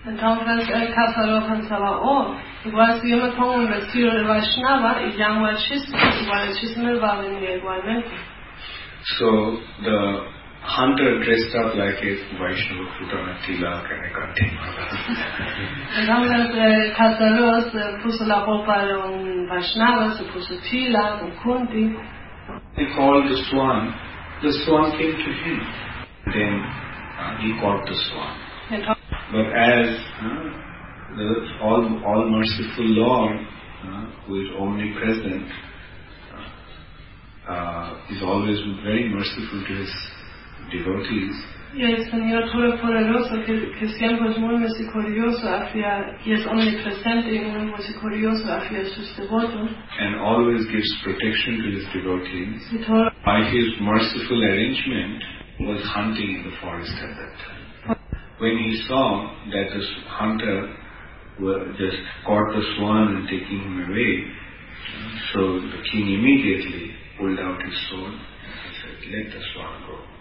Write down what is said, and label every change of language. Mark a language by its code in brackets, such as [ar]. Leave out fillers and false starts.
[es] Entonces el cazador pensaba, oh, igual si yo me pongo un vestido de Vaishnava y llamo al chisme, igual el chisme va a venir igualmente. [en] So the hunter dressed up like a Vaishnava putana tilak and a kanti mala. [es] Entonces el cazador se puso la ropa de un Vaishnava, se puso tilak, un kunti. [en] He called the swan came to him, then he caught the swan. But as the all merciful Lord, who is omnipresent, is always very merciful to his devotees. [es] Y el Señor Todopoderoso que siempre es muy misericordioso hacia y es omnipresente y muy misericordioso hacia sus devotos. [en] And always gives protection to his devotees. By his merciful arrangement, was hunting in the forest at that time. When he saw that the hunter were just caught the swan and taking him away, so the king immediately pulled out his sword and said, "Let the swan go.